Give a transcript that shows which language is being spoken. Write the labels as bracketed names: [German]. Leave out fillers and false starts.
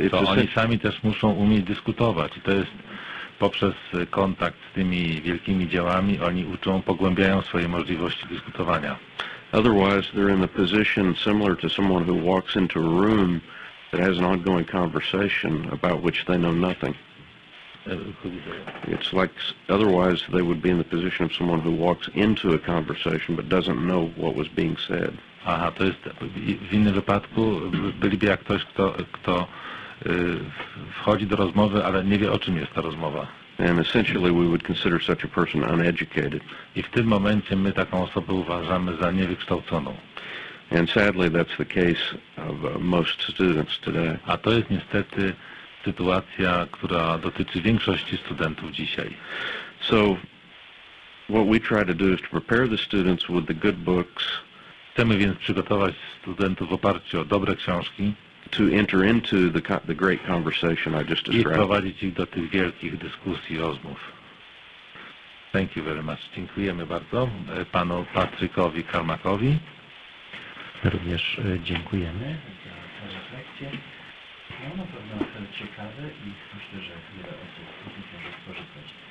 [Polish] to oni sami też muszą umieć dyskutować. I to jest poprzez kontakt z tymi wielkimi dziełami, oni uczą, pogłębiają swoje możliwości dyskutowania. [English] Otherwise, they're in a position similar to someone who walks into a room that has an ongoing conversation about which they know nothing. It's like otherwise they would be in the position of someone who walks into a conversation but doesn't know what was being said. [Polish] Aha, to jest w innym wypadku byliby jak ktoś, kto wchodzi do rozmowy, ale nie wie, o czym jest ta rozmowa. [English] And essentially we would consider such a person uneducated. [Polish] I w tym momencie my taką osobę uważamy za niewykształconą. [English] And sadly that's the case of most students today. [Polish] A to jest niestety sytuacja, która dotyczy większości studentów dzisiaj. [English] So what we try to do is to prepare the students with the good books. [Polish] Chcemy więc przygotować studentów w oparciu o dobre książki. [English] To enter into the great conversation I just described. [Polish] I wprowadzić ich do tych wielkich dyskusji, rozmów. [English] Thank you very much. [Polish] Dziękujemy bardzo panu Patrykowi Karmakowi. Również dziękujemy za tę refleksję. No, na pewno ciekawe i myślę, że wiele osób może skorzystać.